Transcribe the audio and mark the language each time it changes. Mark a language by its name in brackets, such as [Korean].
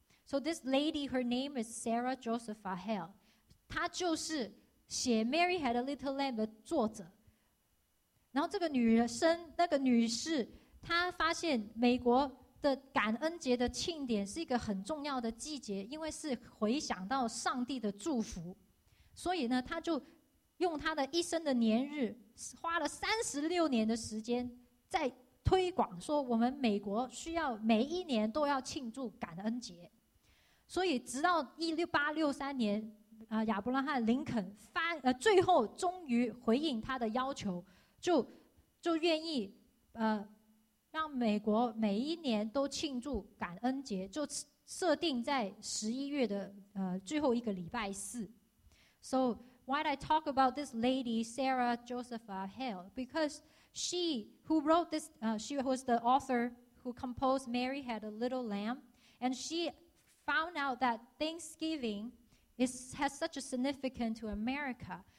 [English] So this lady, her name is Sarah Josepha Hale. [Chinese] 她就是写 Mary Had a Little Lamb 的作者。然后这个女生，那个女士，她发现美国的感恩节的庆典是一个很重要的季节，因为是回想到上帝的祝福。所以呢，她就用她的一生的年日，花了36年的时间在推广，说我们美国需要每一年都要庆祝感恩节。所以直到1863年亚伯拉罕林肯最后终于回应他的要求，就愿意让美国每一年都庆祝感恩节，就设定在11月的最后一个礼拜四。 [English] So why did I talk about this lady Sarah Josepha Hale? Because she who wrote this she was the author who composed Mary Had a Little Lamb, and she found out that Thanksgiving has such a significance to America.